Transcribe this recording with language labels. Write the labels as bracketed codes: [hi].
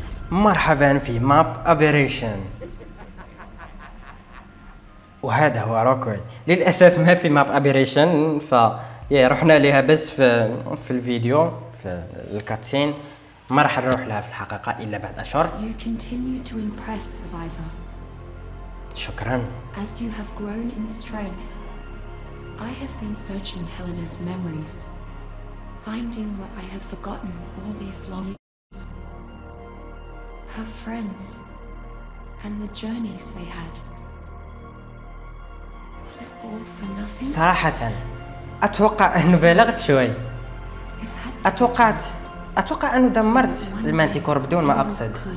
[ar] مرحبا في ماب أبيريشن، وهذا هو روكويل. للأسف ما في ماب أبيريشن، فرحنا لها بس في الفيديو في الكاتسين، ما رح نروح لها في الحقيقة إلا بعد أشهر. [en] You continue to impress, Survivor. [ar] شكرا. [en] As you have grown in strength, I have been searching Helena's memories, finding what I have forgotten all these long years. Her friends and the journeys they had. Was it all for nothing? [ar] صراحة أتوقع أنه بلغت شوي. أتوقع أنه دمرت المانتيكور بدون ما أقصد.